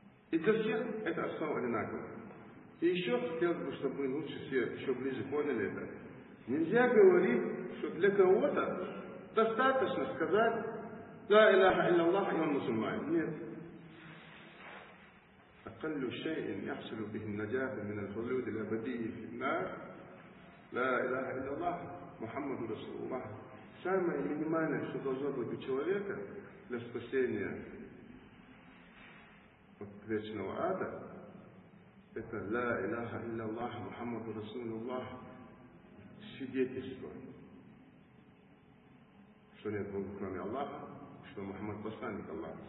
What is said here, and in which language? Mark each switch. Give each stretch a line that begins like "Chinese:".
Russian: И для всех это основа одинаковая. И еще хотел бы, чтобы мы лучше все еще ближе поняли это. Нельзя говорить, что для кого-то достаточно сказать
Arabic: «Ла иляха илляллах,
Russian: и он мусульманин». Нет.
Arabic: «Акаллю шейн яхсилю бихин наджаху мин аль-хулуди ля бадии финнар, لا إله إلا الله محمد رسول الله.
Russian: Самое минимальное, что должно быть у человека для спасения от вечного ада, это
Arabic: «Ла Илаха Илля Аллах, Мухаммаду Расулу Аллах»
Russian: свидетельство, что нет Бога кроме Аллаха, что Мухаммад посланник Аллаха.